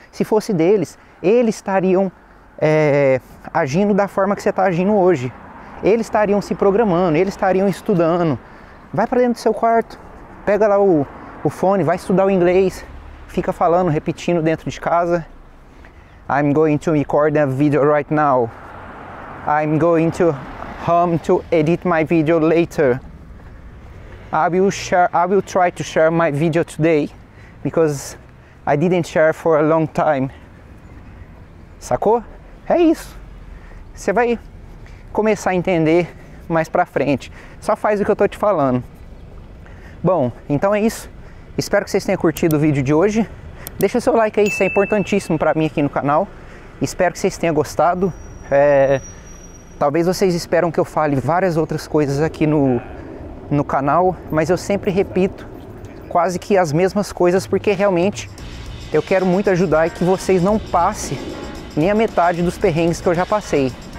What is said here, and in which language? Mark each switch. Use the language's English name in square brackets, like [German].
[Portuguese] Se fosse deles, eles estariam agindo da forma que você está agindo hoje. Eles estariam se programando, eles estariam estudando. Vai para dentro do seu quarto, pega lá o fone, vai estudar o inglês, fica falando, repetindo dentro de casa. [English] I'm going to record a video right now. I'm going to home to edit my video later. I will try to share my video today because I didn't share for a long time. [Portuguese] Sacou? É isso. Você vai começar a entender mais pra frente. Só faz o que eu tô te falando. Bom, então é isso. Espero que vocês tenham curtido o vídeo de hoje. Deixa seu like aí, isso é importantíssimo pra mim aqui no canal. Espero que vocês tenham gostado. Talvez vocês esperam que eu fale várias outras coisas aqui no canal, mas eu sempre repito quase que as mesmas coisas, porque realmente eu quero muito ajudar e que vocês não passem nem a metade dos perrengues que eu já passei.